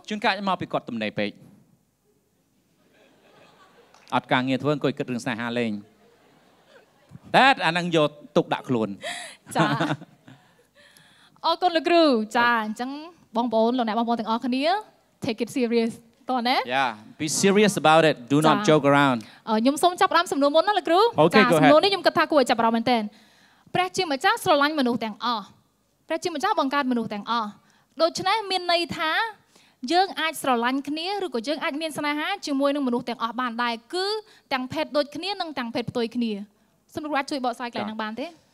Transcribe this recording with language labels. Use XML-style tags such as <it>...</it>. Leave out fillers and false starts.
<km>ជួនកាលមកពីគាត់ទំនេរពេកអត់ការងារធ្វើអង្គុយគិតរឿងស្នេហាលេងតែអានឹងយកទុកដាក់ខ្លួន ចា៎អរគុណលោកគ្រូចាអញ្ចឹងបងប្អូនលោកអ្នកបងប្អូនទាំងអស់គ្នា</km> <en>take it serious</en> <km>តោះណា</km> <en>Yeah be serious about it do not joke around</en> <km>ខ្ញុំសូមចាប់ដាំសំណួរមុនណាលោកគ្រូ ចា សំណួរនេះខ្ញុំគិតថាគួរឲ្យចាប់រំមែនតើព្រះជាម្ចាស់ស្រឡាញ់មនុស្សទាំងអស់ព្រះជាម្ចាស់បង្កើតមនុស្សទាំងអស់ដូច្នេះមានន័យថាយើងអាចស្រឡាញ់គ្នាឬក៏យើងអាចមានស្នេហាជាមួយនឹងមនុស្សទាំងអស់បានដែរគឺទាំងភេទដូចគ្នានិងទាំងភេទផ្ទុយគ្នាសូមលោកគ្រូជួយបកស្រាយខ្លះនឹងបានទេ</km>